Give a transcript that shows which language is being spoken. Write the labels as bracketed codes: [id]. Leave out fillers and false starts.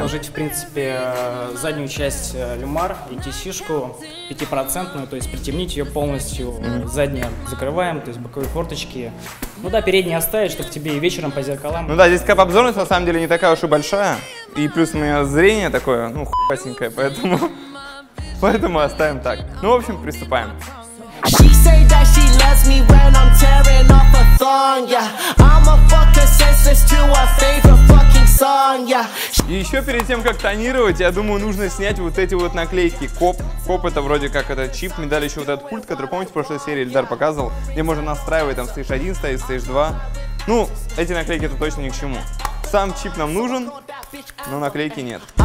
[ru] Положить, в принципе, заднюю часть люмар, ETC-шку 5%, то есть притемнить ее полностью, заднюю закрываем, то есть боковые форточки. Ну да, передние оставить, чтобы тебе и вечером по зеркалам. Ну да, здесь кап обзорность на самом деле не такая уж и большая. И плюс у меня зрение такое, ну, хуйпасенькое, поэтому... Поэтому оставим так. Ну, в общем, приступаем. [en] She say that she loves me when I'm tearing off a thong, yeah. I'm a fucking senseless to her favorite fucking song, yeah. [ru] И еще перед тем, как тонировать, я думаю, нужно снять вот эти вот наклейки. Коп. Коп это вроде как это чип. Мне дали еще вот этот пульт, который, помните, в прошлой серии Эльдар показывал, где можно настраивать, там, стейдж 1 стоит, стейдж 2. Ну, эти наклейки это точно ни к чему. Сам чип нам нужен, но наклейки нет.